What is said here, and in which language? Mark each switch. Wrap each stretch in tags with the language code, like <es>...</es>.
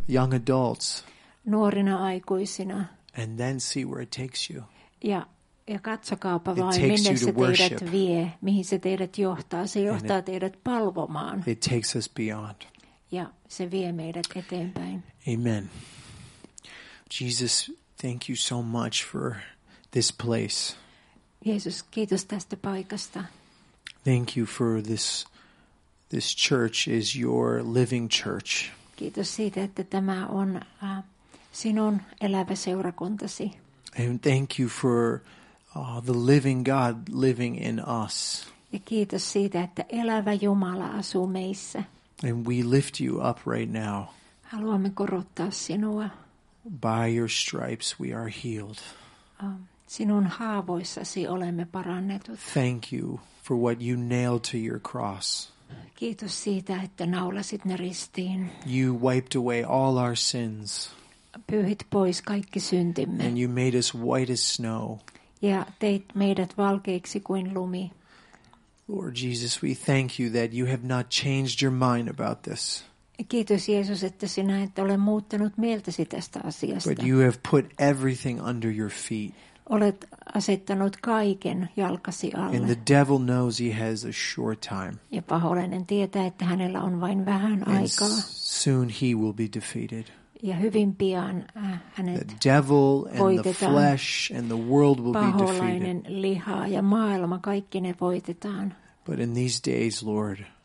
<en>Young adults.</en> <fi>Nuorina aikuisina.</fi> <en>And then see where it takes you.</en> <fi>Ja katsokaapa vain, minne se teidät vie, mihin se teidät johtaa. Se johtaa teidät palvomaan.</fi> <en>It takes us beyond.</en> <fi>Ja se vie meidät eteenpäin.</fi> <en>Amen. Jesus, thank you so much for this place.</en> <fi>Jeesus, kiitos tästä paikasta.</fi> <en>Thank you for this church is your living church.</en> <fi>Kiitos siitä, että tämä on sinun elävä seurakuntasi.</fi> <en>And thank you for the living God living in us.</en> <fi>Ja kiitos siitä, että elävä Jumala asuu meissä.</fi> <en>And we lift you up right now.</en> <fi>Haluamme korottaa sinua.</fi> <en>By your stripes we are healed.</en> <fi>Sinun haavoissasi olemme parannetut.</fi> <en>Thank you for what you nailed to your cross.</en> <fi>Kiitos siitä, että naulasit ne ristiin.</fi> <en>You wiped away all our sins.</en> <fi>Pyyhit pois kaikki syntimme.</fi> <en>And you made us white as snow.</en> <fi>Ja teit meidät valkeiksi kuin lumi.</fi> <en>Lord Jesus, we thank you that you have not changed your mind about this.</en> <fi>Kiitos Jeesus, että sinä et ole muuttanut mieltäsi tästä asiasta.</fi> <en>But you have put everything under your feet.</en> <fi>Olet asettanut kaiken jalkasi alle.</fi> <en>And the devil knows he has a short time.</en> <fi>Ja paholainen tietää, että hänellä on vain vähän aikaa.</fi> <en>And soon he will be defeated.</en> <fi>Ja hyvin pian hänet</fi> <en>the devil and</en> <fi>voitetaan.</fi> <en>The flesh and the world will</en> <fi>paholainen</fi> <en>be defeated.</en> <fi>Paholainen liha ja maailma, kaikki ne voitetaan.</fi> <en>But in these days, Lord,</en>